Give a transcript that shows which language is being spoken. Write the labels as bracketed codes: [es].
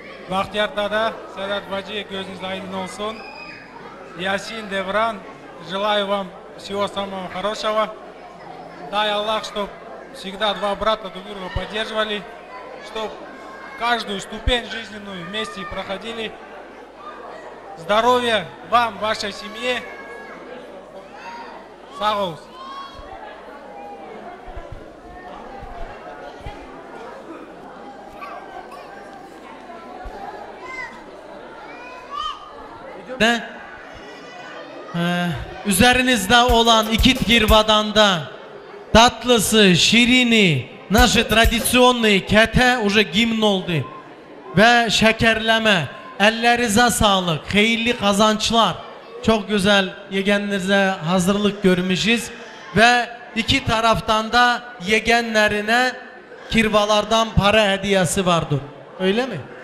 [tr] Bahtiyar dada, Sedat Bacı, gözünüz aydın olsun. [ru] Yasin Devran, желаю вам всего самого хорошего. Дай Аллах, чтоб всегда два брата друг друга поддерживали. Чтоб каждую ступень жизненную вместе проходили. Здоровья вам, вашей семье. Сагус. Да? [tr] Üzerinizde olan iki kirvadan da tatlısı, şirini. Наши традиционные кете уже гимн oldu. Ve şekerleme. Ellerinize sağlık. Hayırlı kazançlar. Çok güzel yegenlerinize hazırlık görmüşüz. Ve iki taraftan da yegenlerine kirvalardan para hediyesi vardır. Öyle mi?